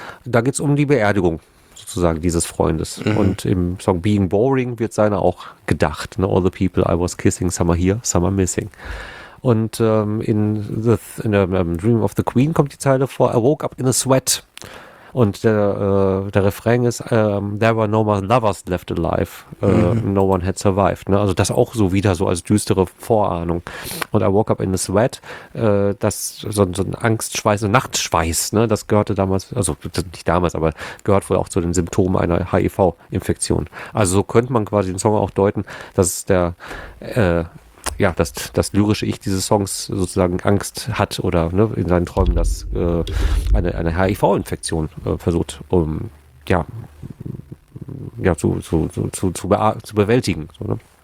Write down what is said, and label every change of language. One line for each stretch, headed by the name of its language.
German: Da geht es um die Beerdigung sozusagen dieses Freundes. Und im Song Being Boring wird seiner auch gedacht. Ne?
English: All the people I was kissing, some are here, some are missing.
German: Und in Dream of the Queen kommt die Zeile vor,
English: I woke up in a sweat.
German: Und der Refrain ist,
English: there were no more lovers left alive, no one had survived.
German: Ne? Also das auch so wieder so als düstere Vorahnung. Und
English: I woke up in a sweat,
German: das so ein Angstschweiß, ein Nachtschweiß, ne? Das gehörte damals, also nicht damals, aber gehört wohl auch zu den Symptomen einer HIV-Infektion. Also so könnte man quasi den Song auch deuten, dass der ja, dass das lyrische Ich dieses Songs sozusagen Angst hat oder ne, in seinen Träumen, dass eine HIV-Infektion versucht, um ja, zu bewältigen. So, ne?